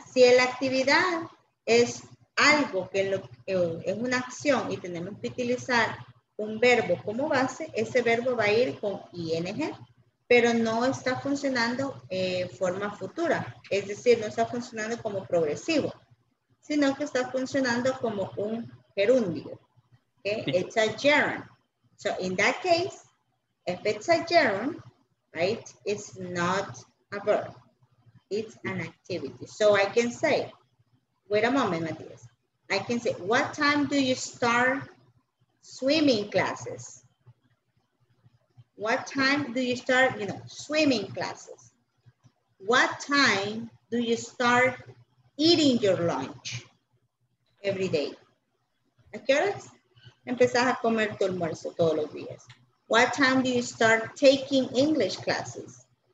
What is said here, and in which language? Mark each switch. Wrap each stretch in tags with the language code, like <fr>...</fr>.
<es>Si la actividad es algo que es una acción y tenemos que utilizar un verbo como base, ese verbo va a ir con ing, pero no está funcionando en forma futura. Es decir, no está funcionando como progresivo, sino que está funcionando como un gerundio.</es> <en>¿Okay? Sí. It's a gerund. So, in that case, if it's a gerund, right, it's not a verb. It's an activity. So, I can say, wait a moment, Matias. I can say, what time do you start swimming classes? What time do you start, you know, swimming classes? What time do you start eating your lunch every day?</en> <es>¿A qué horas empezás a comer tu almuerzo todos los días?</es> <en>What time do you start taking English classes?</en>